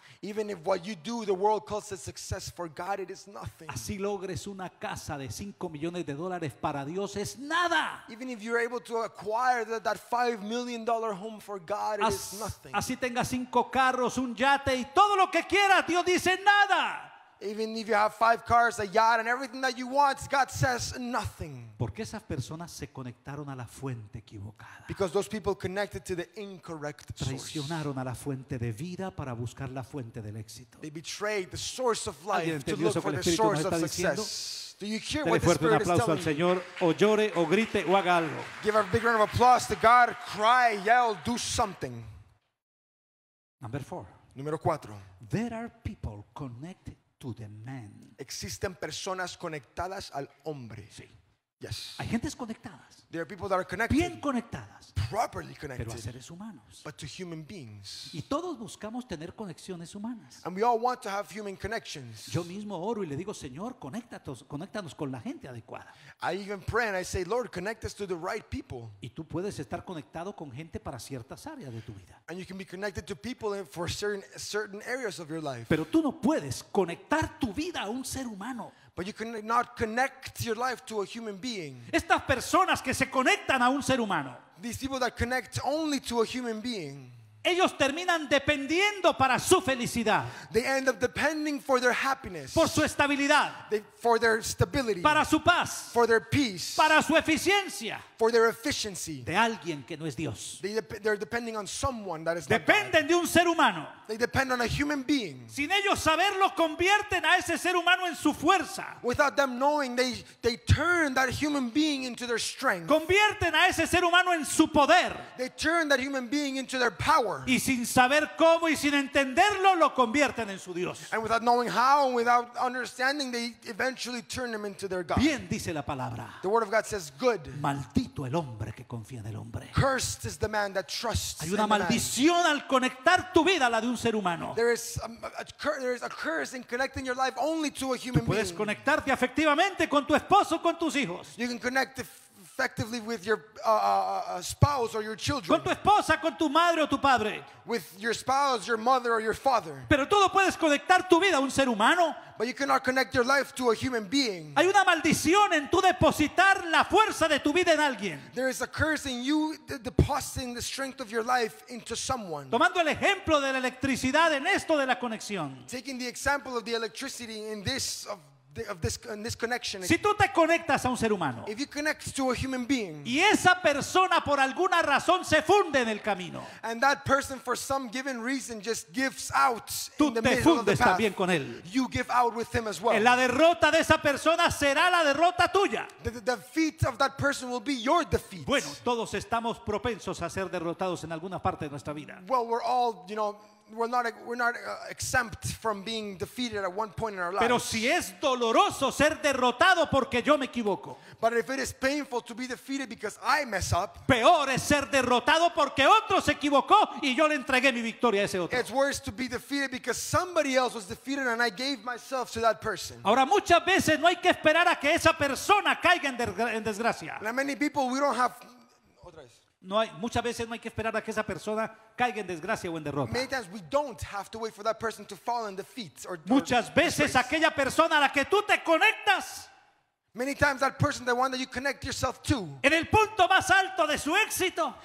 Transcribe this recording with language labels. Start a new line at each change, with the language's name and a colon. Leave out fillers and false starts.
English: Even if what you do, the world calls it success, for God it is nothing.
Spanish: Así logres una casa de 5 millones de dólares, para Dios es nada.
English: Even if you're able to acquire that $5 million home, for God it is nothing.
Spanish: Así tengas 5 carros, un yate y todo lo que quieras, Dios dice nada.
English: Even if you have 5 cars, a yacht, and everything that you want, God says nothing.
Spanish: Porque esas personas se conectaron a la fuente equivocada.
English: Because those people connected to the incorrect source.
Spanish: Traicionaron a la fuente de vida para buscar la fuente del éxito.
English: They betrayed the source of life to look for the source of success. Do you hear what the Spirit is telling you?
Spanish: Al Señor, o llore, o grite, o haga algo.
English: Give a big round of applause to God. Cry, yell, do something.
Spanish: Número 4.
English: There are people connected to the man.
Spanish: Existen personas conectadas al hombre. Sí.
English: Yes.
Spanish: Hay gentes conectadas.
English: There are people that are connected.
Spanish: Bien conectadas.
English: Properly connected.
Spanish: Pero a seres humanos.
English: But to human beings.
Spanish: Y todos buscamos tener conexiones humanas.
English: And we all want to have human connections.
Spanish: Yo mismo oro y le digo, Señor, conéctanos con la gente adecuada.
English: I even pray and I say, Lord, connect us to the right people.
Spanish: Y tú puedes estar conectado con gente para ciertas áreas de tu vida.
English: And you can be connected to people for certain areas of your life.
Spanish: Pero tú no puedes conectar tu vida a un ser humano.
English: But you cannot connect your life to a human being.
Spanish: Estas personas que se conectan a un ser humano.
English: These people that connect only to a human being.
Spanish: Ellos terminan dependiendo para su felicidad.
English: They end up depending for their happiness.
Spanish: Por su estabilidad.
English: For their stability.
Spanish: Para su paz.
English: For their peace.
Spanish: Para su eficiencia.
English: For their efficiency.
Spanish: De alguien que no es Dios.
English: They're depending on someone that is not.
Spanish: Dependen
English: God.
Spanish: De un ser humano.
English: They depend on a human being.
Spanish: Sin ellos saberlo, convierten a ese ser humano en su fuerza.
English: Without them knowing, they turn that human being into their strength.
Spanish: Convierten a ese ser humano en su poder.
English: They turn that human being into their power.
Spanish: Y sin saber cómo y sin entenderlo, lo convierten en su Dios.
English: And without knowing how and without understanding, they eventually turn him into their God.
Spanish: Bien dice la palabra.
English: The word of God says good.
Spanish: Maldito el hombre que confía en el hombre.
English: Cursed is the man that trusts.
Spanish: Hay una maldición al conectar tu vida a la de un ser humano.
English: There is a curse in connecting your life only to a human being.
Spanish: Tú puedes conectarte afectivamente con tu esposo, con tus hijos.
English: You can connect effectively with your spouse or your children.
Spanish: Con tu esposa, con tu madre o tu padre.
English: With your spouse, your mother or your father.
Spanish: Pero tú no puedes conectar tu vida a un ser humano.
English: But you cannot connect your life to a human being.
Spanish: Hay una maldición en tu depositar la fuerza de tu vida en alguien.
English: There is a curse in you depositing the strength of your life into someone.
Spanish: Tomando el ejemplo de la electricidad en esto de la conexión.
English: Taking the example of the electricity in this of this connection.
Spanish: Si tú te conectas a un ser humano.
English: If you connect to a human being.
Spanish: Y esa persona por alguna razón se funde en el camino.
English: And that person for some given reason just gives out in the middle of the path.
Spanish: Tú te fundes también con él.
English: You give out with him as well.
Spanish: En la derrota de esa persona será la derrota tuya.
English: The defeat of that person will be your defeat.
Spanish: Bueno, todos estamos propensos a ser derrotados en alguna parte de nuestra vida.
English: Well, we're all, you know, We're not exempt from being defeated at one point in our lives.
Spanish: Pero si es doloroso ser derrotado porque yo me equivoco.
English: But if it is painful to be defeated because I mess up.
Spanish: Peor es ser derrotado porque otro se equivocó y yo le entregué mi victoria a ese otro.
English: It's worse to be defeated because somebody else was defeated and I gave myself to that person.
Spanish: Ahora muchas veces no hay que esperar a que esa persona caiga en desgracia.
English: And many people we don't have.
Spanish: Otra vez. No hay, muchas veces no hay que esperar a que esa persona caiga en desgracia o en derrota.
English: Many times we don't have to wait for that person to fall in defeat or
Spanish: muchas veces aquella persona a la que tú te conectas.
English: Many times that person, the one that you connect yourself to.
Spanish: En el punto más alto de su éxito.